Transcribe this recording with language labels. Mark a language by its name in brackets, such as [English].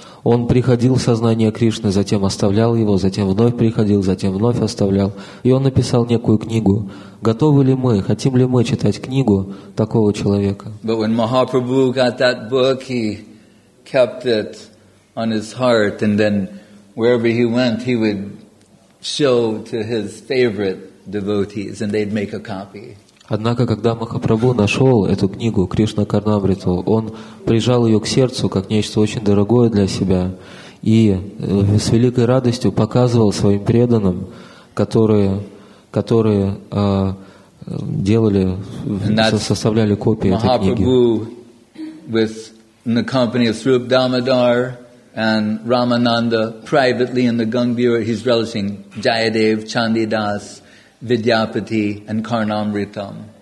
[Russian] Он приходил в сознание Кришны, затем оставлял его, затем вновь приходил, затем вновь оставлял. И он написал некую книгу. Готовы ли мы, хотим ли мы читать книгу такого человека? [English] But when Mahaprabhu got that book, he kept it on his heart, and then wherever he went, he would show to his favorite devotees, and they'd make a copy. [Russian] Однако, когда Махапрабху нашел эту книгу Кришна Карнамриту, он прижал ее к сердцу как нечто очень дорогое для себя и с великой радостью показывал своим преданным, которые делали, составляли копии этой книги. [English] Махапрабху with in the company of Srup Damodar and Ramananda privately in the Gangbhir, he's relishing Jayadev, Chandidas, Vidyapati and Karnamritam.